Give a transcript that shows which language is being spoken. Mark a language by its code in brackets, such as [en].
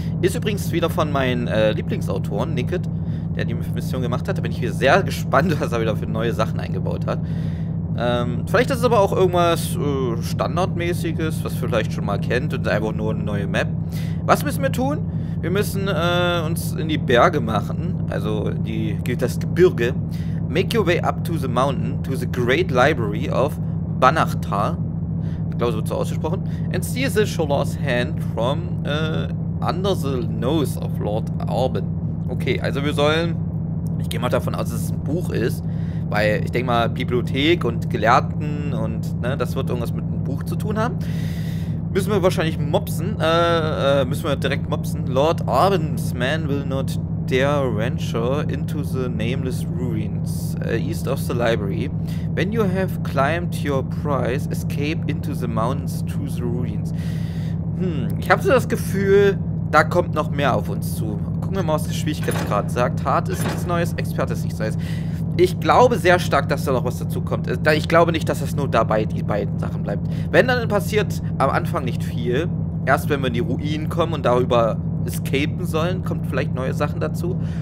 [de] Ist übrigens wieder von meinen Lieblingsautoren, Nicket, der die Mission gemacht hat. Da bin ich wieder sehr gespannt, was er wieder für neue Sachen eingebaut hat. Vielleicht ist es aber auch irgendwas Standardmäßiges, was vielleicht schon mal kennt und einfach nur eine neue Map. Was müssen wir tun? Wir müssen uns in die Berge machen, also das Gebirge. [en] Make your way up to the mountain, to the great library of Banachtal. [de] Ich glaube, so wird es ausgesprochen. [en] And steal the Scholar's hand from under the nose of Lord Arben. [de] Okay, also wir sollen, ich gehe mal davon aus, dass es ein Buch ist. Weil, ich denke mal, Bibliothek und Gelehrten und, ne, das wird irgendwas mit einem Buch zu tun haben. Müssen wir wahrscheinlich mopsen, müssen wir direkt mopsen. [en] Lord Arben's man will not dare venture into the nameless ruins east of the library. When you have climbed your prize, escape into the mountains to the ruins. [de] Ich habe so das Gefühl, da kommt noch mehr auf uns zu. Gucken wir mal, was der Schwierigkeitsgrad sagt. Hart ist nichts Neues, Experte ist nichts Neues. Ich glaube sehr stark, dass da noch was dazu kommt. Ich glaube nicht, dass das nur dabei die beiden Sachen bleibt. Wenn, dann passiert am Anfang nicht viel. Erst wenn wir in die Ruinen kommen und darüber escapen sollen, kommt vielleicht neue Sachen dazu.